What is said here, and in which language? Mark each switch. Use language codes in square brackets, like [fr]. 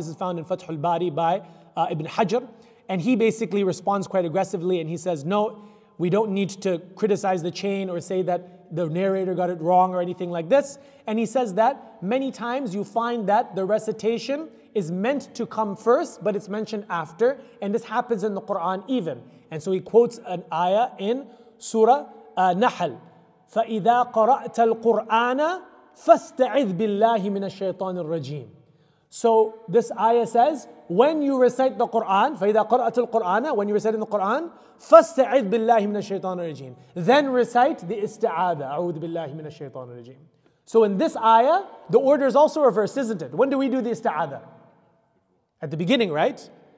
[en] This is found in Fath al-Bari by Ibn Hajar. And he basically responds quite aggressively, and he says, no, we don't need to criticize the chain or say that the narrator got it wrong or anything like this. And he says that many times you find that the recitation is meant to come first, but it's mentioned after. And this happens in the Quran even. And so he quotes an ayah in Surah [ar] نحل فإذا قرأت القرآن فاستعذ بالله من الشيطان الرجيم. [en] So this ayah says, when you recite the Quran, [ar] فإذا قرأت القرآن, [en] when you recite the Quran, [ar] فاستعذ بالله من الشيطان الرجيم, [en] then recite the استعاذة, [ar] أعوذ بالله من الشيطان الرجيم. [en] So in this ayah, the order is also reversed, isn't it? When do we do the استعاذة? At the beginning, right?